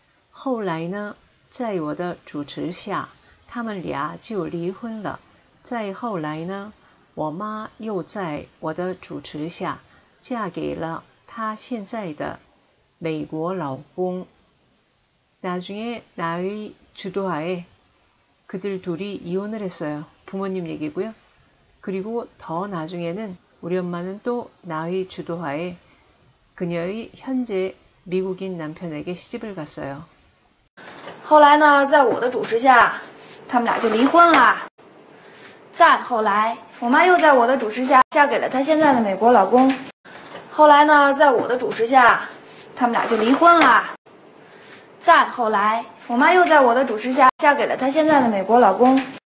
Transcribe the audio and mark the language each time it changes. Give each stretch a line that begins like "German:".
Chinese: 后来呢，在我的主持下，他们俩就离婚了。再后来呢，我妈又在我的主持下嫁给了她现在的美国老公。
Korean: 나중에 나의 주도하에 그들 둘이 이혼을 했어요. 부모님 얘기고요. 그리고 더 나중에는 우리 엄마는 또 나의 주도하에 그녀의 현재 미국인 남편에게 시집을 갔어요.
Chinese: 后来呢，在我的主持下，他们俩就离婚了。再后来，我妈又在我的主持下嫁给了她现在的美国老公。后来呢，在我的主持下，他们俩就离婚了。再后来，我妈又在我的主持下嫁给了她现在的美国老公。